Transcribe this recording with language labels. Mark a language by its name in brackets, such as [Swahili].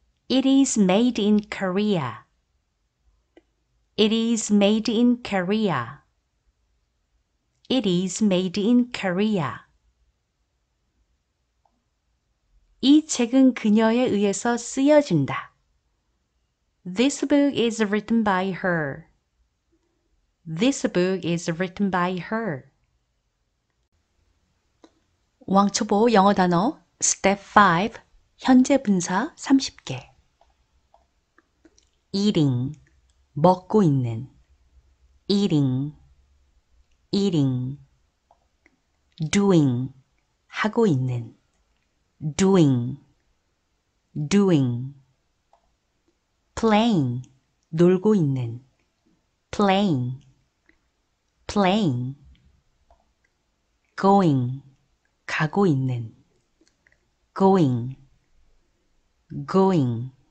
[English] It is made in Korea. It is made in Korea. It is made in Korea. [Korean] 이 책은 그녀에 의해서 쓰여진다. [English] This book is written by her. This book is written by her. [Korean] 왕초보 영어 단어 Step 5 현재 분사 30개. [English] Eating [Korean] 먹고 있는. [English] Eating. Eating, doing, [Korean] 하고 있는, [English] doing, doing, playing, [Korean] 놀고 있는, [English] playing, playing, going, [Korean] 가고 있는, [English] going, going,